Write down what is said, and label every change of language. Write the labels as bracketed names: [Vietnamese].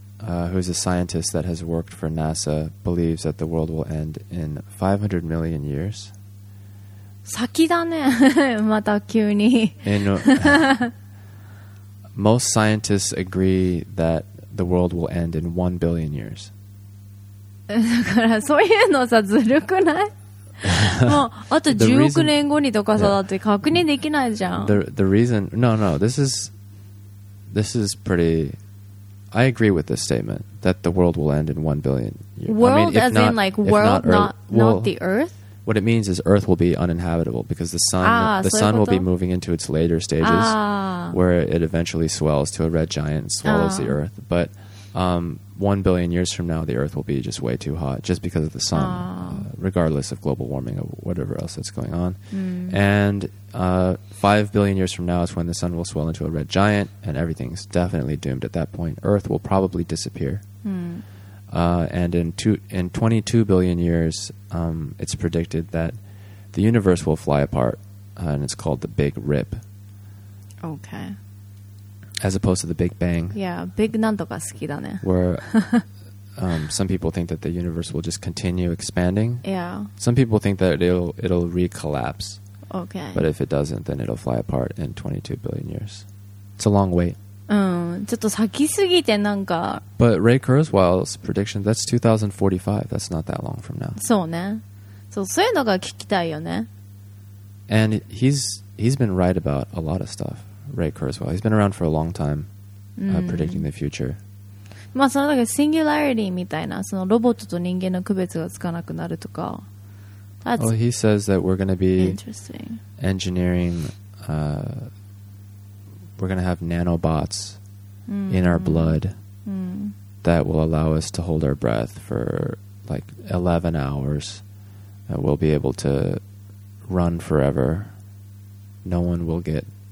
[English] Who's a scientist that has worked for NASA, believes that the world will end in 500 million years. [Japanese] 先だね。また急に。 [English] Most scientists agree that the world will end in 1 billion years. [Japanese] だからそういうのさ、ずるくない?もうあと10億年後にとかさ、だって確認できないじゃん。 [English] The reason... No, this is pretty... I agree with this statement that the world will end in 1 billion years. World, I mean, as not, in like world, not the Earth? What it means is Earth will be uninhabitable because the sun will be moving into its later stages where it eventually swells to a red giant and swallows the Earth. But 1 billion years from now, the Earth will be just way too hot just because of the sun, regardless of global warming or whatever else that's going on. And 5 billion years from now is when the sun will swell into a red giant and everything's definitely doomed at that point. Earth will probably disappear. And in 22 billion years, it's predicted that the universe will fly apart, and it's called the Big Rip. Okay. As opposed to the Big Bang. [Japanese] Yeah, Big なんとか好きだね。 [English] Where some people think that the universe will just continue expanding. Yeah. Some people think that it'll re-collapse. Okay. But if it doesn't, then it'll fly apart in 22 billion years. It's a long wait. [Japanese] ちょっと先すぎてなんか。 [English] But Ray Kurzweil's prediction, that's 2045. That's not that long from now. [Japanese] そうね。そう、そういうのが聞きたいよね。 [English] And he's been right about a lot of stuff.Ray Kurzweil. He's been around for a long time. predicting the future. [Japanese] まあそのなんかシンギュラリティみたいな、そのロボットと人間の区別がつかなくなるとか。 [English] That's well, he says that we're going to be engineering. We're going to have nanobots in our blood that will allow us to hold our breath for like 11 hours. That we'll be able to run forever. No one will get